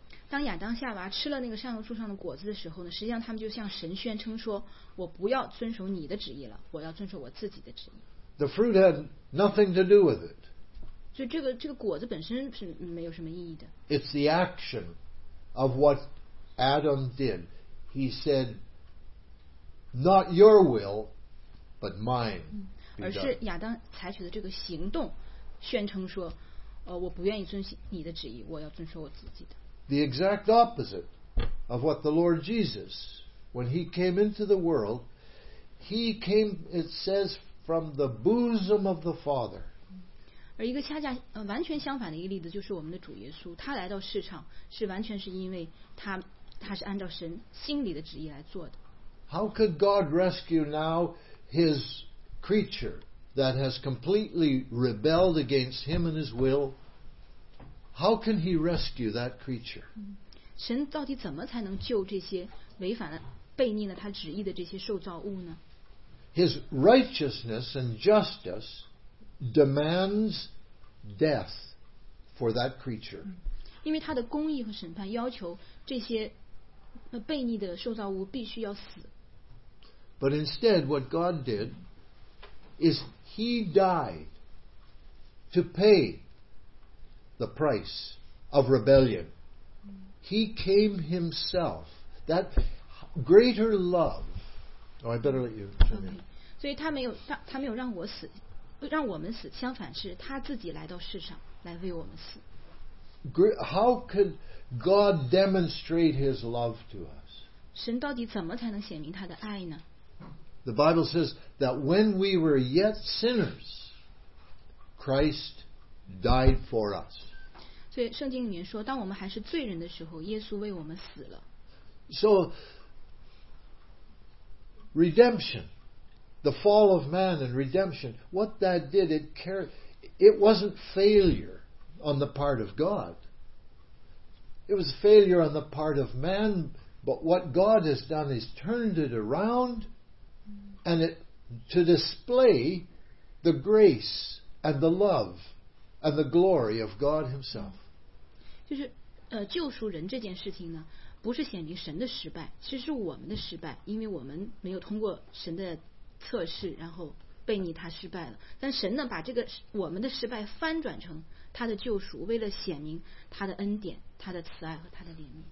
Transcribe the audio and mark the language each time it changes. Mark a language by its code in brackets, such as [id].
[zh] 当亚当夏娃吃了那个善恶树上的果子的时候呢，实际上他们就向神宣称说，我不要遵守你的旨意了，我要遵守我自己的旨意。 [en] The fruit had nothing to do with it. [zh] 所以这个果子本身是没有什么意义的。 [en] It's the action of what Adam did. He said, not your will, but mine. [zh] 而是亚当采取的这个行动，宣称说，我不愿意遵守你的旨意，我要遵守我自己的。 [en] The exact opposite of what the Lord Jesus, when he came into the world, he came, it says, from the bosom of the Father. [zh] 而一个恰恰完全相反的一个例子就是我们的主耶稣，他来到世上是完全是因为他是按照神心里的旨意来做的。 [en] How could God rescue now his creature that has completely rebelled against him and his will? How can he rescue that creature? [zh] 神到底怎么才能救这些违反了悖逆了他旨意的这些受造物呢？ [en] His righteousness and justice demands death for that creature. [zh] 因为他的公义和审判要求这些悖逆的受造物必须要死。 [en] But instead, what God did is he died to pay the price of rebellion. He came himself. That greater love. Oh, I better let you. Okay. [zh] 所以他没有让我死，让我们死。相反，是他自己来到世上来为我们死。 [en] How could God demonstrate His love to us? [zh] 神到底怎么才能显明他的爱呢？ [en] The Bible says that when we were yet sinners, Christ died for us. [zh] 对，圣经里面说，当我们还是罪人的时候，耶稣为我们死了。 [en] So, redemption, the fall of man and redemption, what that did, it wasn't failure on the part of God. It was failure on the part of man, but what God has done is turned it around and it, to display the grace and the love and the glory of God Himself. [zh] 就是救赎人这件事情呢，不是显明神的失败，其实是我们的失败，因为我们没有通过神的测试，然后悖逆他失败了。但神呢，把这个我们的失败翻转成他的救赎，为了显明他的恩典、他的慈爱和他的怜悯。